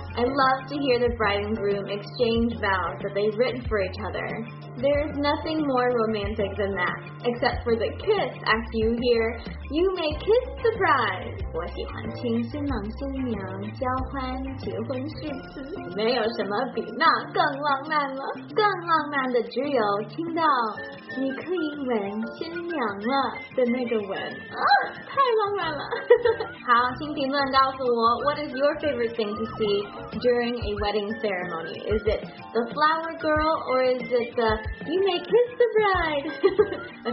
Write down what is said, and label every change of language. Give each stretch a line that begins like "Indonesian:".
English: I love to hear the bride and groom exchange vows that they've written for each other. There's nothing more romantic than that, except for the kiss after you hear, you may kiss the bride.
Chinese: 我喜欢听新郎新娘交换结婚誓词，没有什么比那更浪漫了。更浪漫的只有听到你可以吻新娘了的那个吻，啊，太浪漫了。好，请评论告诉我
English: What is your favorite thing to see during a wedding ceremony? Is it the flower girl or is it the you may kiss the bride?